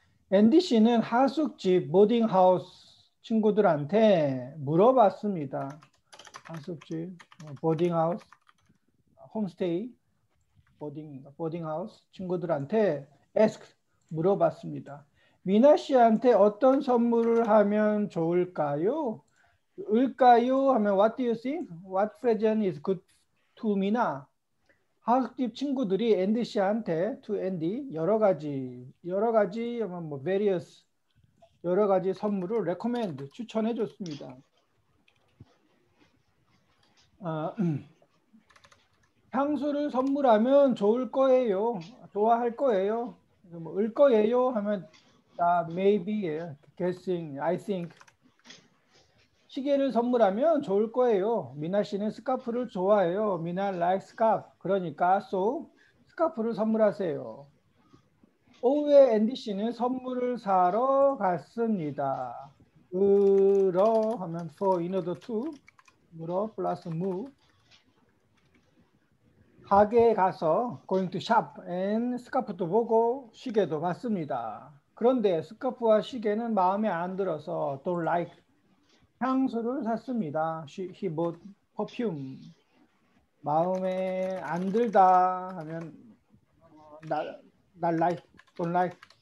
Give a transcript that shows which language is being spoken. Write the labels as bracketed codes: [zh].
[ko] 앤디 씨는 하숙집, 보딩하우스 친구들한테 물어봤습니다. 하숙집, 보딩하우스, 홈스테이, 보딩하우스 친구들한테 ask 물어봤습니다. 미나 씨한테 어떤 선물을 하면 좋을까요? 을까요? 하면 [en] what do you think? What present is good to 미나? [ko] 하숙집 친구들이 앤디 씨한테 to 앤디 여러 가지 뭐 various 여러 가지 선물을 recommend 추천해 줬습니다. 향수를 선물하면 좋을 거예요. 좋아할 거예요. 뭐을 거예요 하면 maybe예요. [en] Guessing, I think. [ko] 시계를 선물하면 좋을 거예요. 미나 씨는 스카프를 좋아해요. [en] 미나 like scarf. [ko] 그러니까 so 스카프를 선물하세요. 오후에 앤디 씨는 선물을 사러 갔습니다. 으러 하면 [en] for in order to 물어 plus move. [ko] 가게에 가서 [en] going to shop and [ko] 스카프도 보고 시계도 봤습니다. 그런데 스카프와 시계는 마음에 안 들어서 [en] don't like [ko] 향수를 샀습니다. [en] He bought perfume. [ko] 마음에 안 들다 하면 [en] don't like.